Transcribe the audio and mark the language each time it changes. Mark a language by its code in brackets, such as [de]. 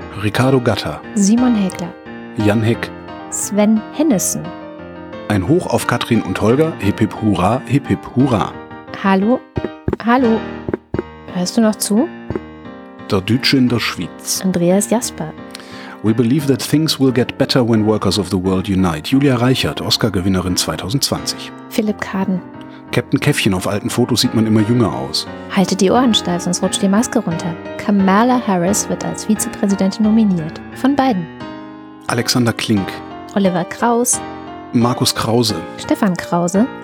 [de] Ricardo Gatter. Simon Häkler. Jan Heck. Sven Hennissen. Ein Hoch auf Katrin und Holger. Hip hip hurra, hip hip hurra. Hallo, hallo. Hörst du noch zu? Der Deutsche in der Schweiz. Andreas Jasper. [en] We believe that things will get better when workers of the world unite. [de] Julia Reichert, Oscar-Gewinnerin 2020. Philipp Kaden. Captain Käffchen, auf alten Fotos sieht man immer jünger aus. Haltet die Ohren steif, sonst rutscht die Maske runter. Kamala Harris wird als Vizepräsidentin nominiert. Von beiden. Alexander Klink. Oliver Kraus. Markus Krause. Stefan Krause.